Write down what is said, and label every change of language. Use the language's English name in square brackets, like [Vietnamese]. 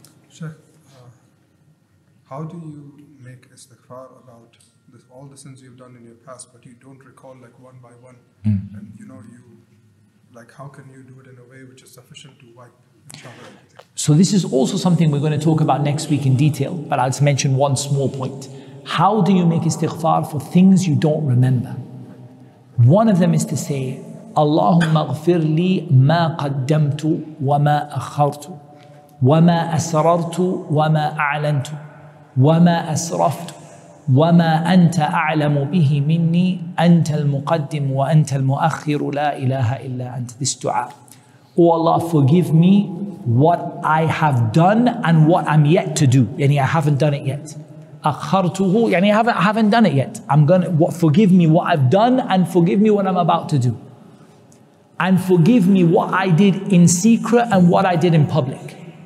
[English] Sheikh, how do you make istighfar about this, all the sins you've done in your past, but you don't recall like one by one? Mm. And you know, you like, how can you do it in a way which is sufficient to wipe everything? So this is also something we're going to talk about next week in detail, but I'll just mention one small point. How do you make istighfar for things you don't remember? One of them is to say, [Arabic] اللهم اغفر لي ما قدمت وما أخرت وما أسررت وما أعلنت وما أسرفت وما أنت أعلم به مني أنت المقدم وأنت المؤخر لا إله إلا أنت. [English] This dua. Oh Allah, forgive me what I have done and what I'm yet to do. [Arabic] يعني [English] I haven't done it yet. [Arabic] أخرته يعني [English] I haven't done it yet. Forgive me what I've done and forgive me what I'm about to do. And forgive me what I did in secret and what I did in public.